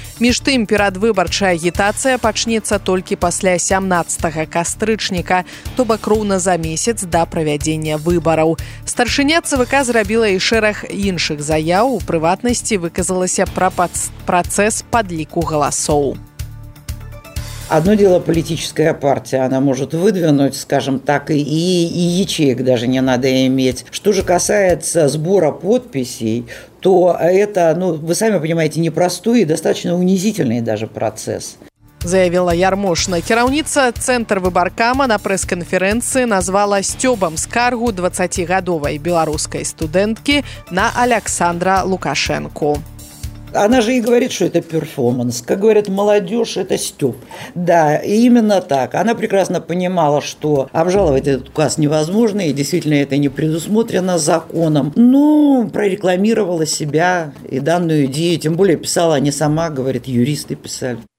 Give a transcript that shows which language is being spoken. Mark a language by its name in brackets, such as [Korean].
[Belarusian] Між тым, перадвыбарчая агітацыя пачнецца толькі пасля 17 кастрычніка, то бок роўна за месяц да правядзення выбараў. Старшыня ЦВК зрабіла і шэраг іншых заяў, у прыватнасці выказалася пра працэс [Russian] подлику голосов. Одно дело политическая партия, она может выдвинуть, скажем так, и ячеек даже не надо иметь. Что же касается сбора подписей, то это, ну, вы сами понимаете, непростой и достаточно унизительный даже процесс. Заявила Ярмошна. [Belarusian] Кіраўніца Центр выбаркама на прэс-канферэнцыі назвала стёбам скаргу 20-гадовай беларускай студэнткі на Александра Лукашэнку. [Russian] Она же и говорит, что это перформанс. Как говорят молодежь, это стёб. Да, и именно так. Она прекрасно понимала, что обжаловать этот указ невозможно, и действительно это не предусмотрено законом. Но прорекламировала себя и данную идею. Тем более писала не сама, говорит, юристы писали.